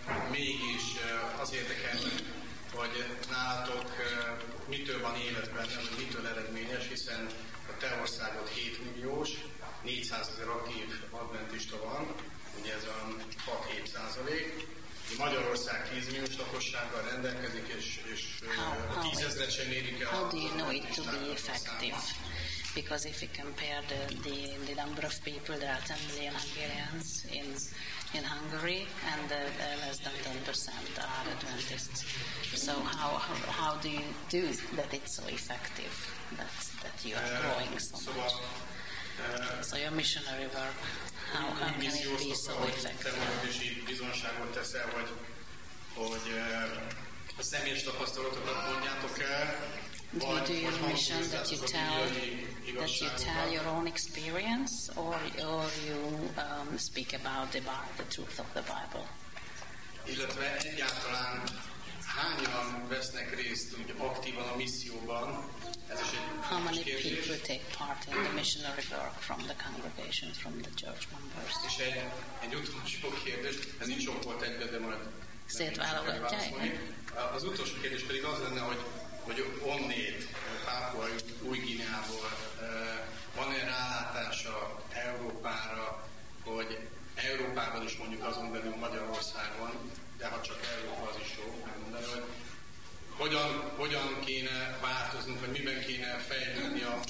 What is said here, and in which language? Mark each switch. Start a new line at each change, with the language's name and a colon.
Hungarian: Mégis az érdekel, hogy nálatok mitől van életben, mitől eredményes, hiszen a te országod 7 milliós, 400 ezer aktív adventista van, ugye ez a 6-7%. Magyarország 10 milliós lakossággal rendelkezik, és 10 ezeret sem érik el.
English: How do you know it to be effective? Because if you compare the number of people, there are 10 million Hungarians in Hungary, and less than 10% are Adventists. So how do you do that it's so effective that you are growing so much? So your missionary work, how can it be so effective?
Hungarian: Te magad is így bizonságot teszel, hogy a személyes tapasztalatokat mondjátok el.
English: Do you do your mission that you tell your own experience, or you speak about the truth of the Bible?
Hungarian: Illetve egyáltalán hányan vesznek részt úgy aktívan a misszióban? Ez is egy
English: How many people take part in the missionary work from the congregation, from the church members?
Hungarian: És egy utolsó kérdés, ez nincs sok volt egyben, de majd szétválogatják. Az utolsó kérdés pedig az lenne, hogy onnét, Pápua Új-Guineából van-e rálátása Európára, hogy Európában is mondjuk azon belül Magyarországon, de ha csak Európa az is jó, mondani, hogy hogyan kéne változnunk, vagy miben kéne fejlődni a